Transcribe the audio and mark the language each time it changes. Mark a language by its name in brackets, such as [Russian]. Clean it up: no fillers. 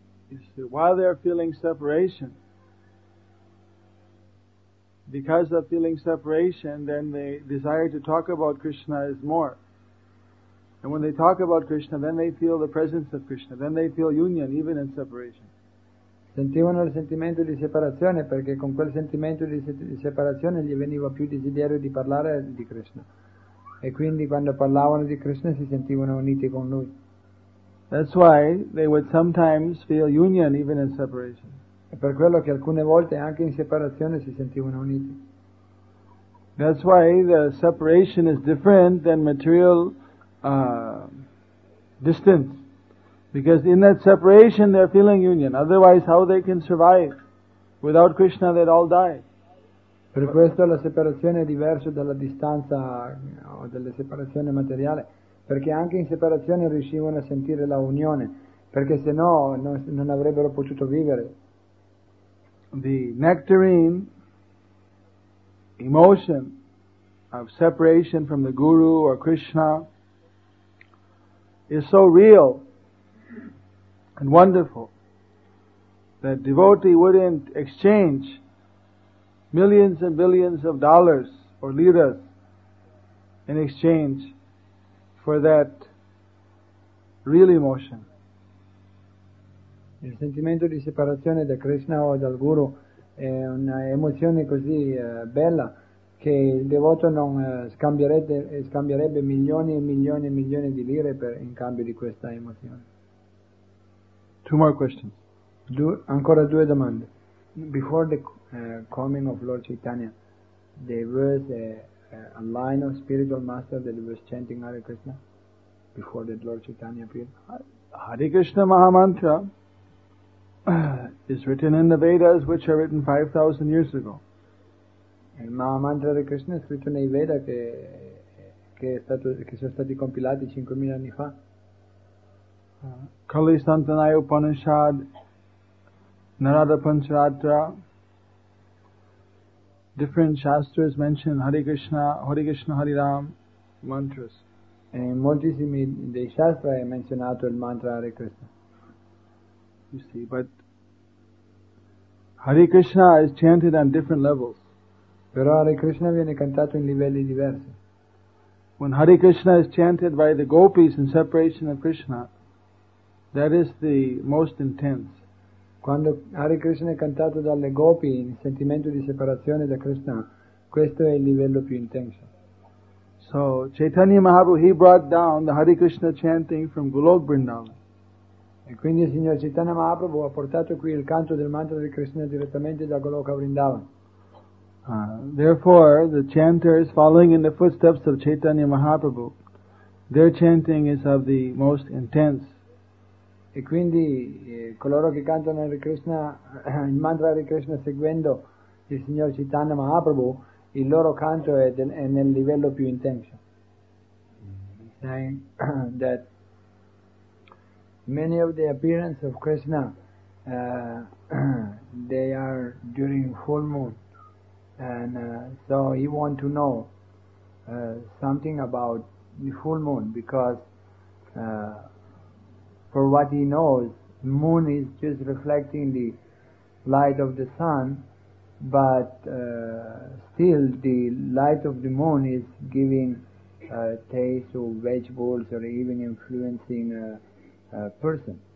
[English] You see, while they are feeling separation, because of feeling separation, then the desire to talk about Krishna is more. And when they talk about Krishna, then they feel the presence of Krishna, then they feel union even in separation. [Italian] Sentivano il sentimento di separazione perché con quel sentimento di separazione gli veniva più desiderio di parlare di Krishna. E quindi quando parlavano di Krishna si sentivano uniti con lui. [English] That's why they would sometimes feel union even in separation. [Italian] È per quello che alcune volte anche in separazione si sentivano uniti. [English] That's why the separation is different than material distance. Because in that separation they're feeling union. Otherwise how they can survive? Without Krishna they'd all die. [Italian] Per questo la separazione è diversa dalla distanza o della separazione materiale, perché anche in separazione riuscivano a sentire la unione, perché se no non avrebbero potuto vivere. [English] The nectarine emotion of separation from the Guru or Krishna is so real and wonderful that devotee wouldn't exchange millions and billions of dollars or liras in exchange for that real emotion. [Italian] Il sentimento di separazione da Krishna o dal Guru è una emozione così bella che il devoto non scambierebbe milioni e milioni e milioni di lire per in cambio di questa emozione. [English] Two more questions. [Italian] Ancora due domande. [English] Before the coming of Lord Chaitanya, there was a line of spiritual master that was chanting Hare Krishna before that Lord Chaitanya appeared. Hare Krishna Mahamantra is written in the Vedas, which are written 5,000 years ago. [Italian] Il Mahamantra di Krishna è scritto nei Veda che sono stati compilati 5,000 anni fa. [English] Kali Santanai Upanishad, Narada Pancharatra, different shastras mention Hare Krishna, Hare Krishna, Hare Ram mantras. [Italian] E in moltissimi dei shastra è menzionato il mantra Hare Krishna. [English] You see, but Hare Krishna is chanted on different levels. [Italian] Però Hare Krishna viene cantato in livelli diversi. [English] When Hare Krishna is chanted by the gopis in separation of Krishna, that is the most intense. [Italian] Quando Hare Krishna è cantato dalle gopi in sentimento di separazione da Krishna, questo è il livello più intenso. [English] So Chaitanya Mahaprabhu, he brought down the Hare Krishna chanting from Golok Vrindavan. [Italian] E quindi il signor Chaitanya Mahaprabhu ha portato qui il canto del mantra di Krishna direttamente da Goloka Vrindavan. [English] Therefore, the chanters following in the footsteps of Chaitanya Mahaprabhu, their chanting is of the most intense. [Italian] E quindi coloro che cantano Hare Krishna, il mantra Hare Krishna seguendo il signor Chaitanya Mahaprabhu, il loro canto è nel livello più intenso. [English] Saying that many of the appearances of Krishna, they are during full moon. And so he want to know something about the full moon because for what he knows, moon is just reflecting the light of the sun, but still the light of the moon is giving taste or vegetables or even influencing a person.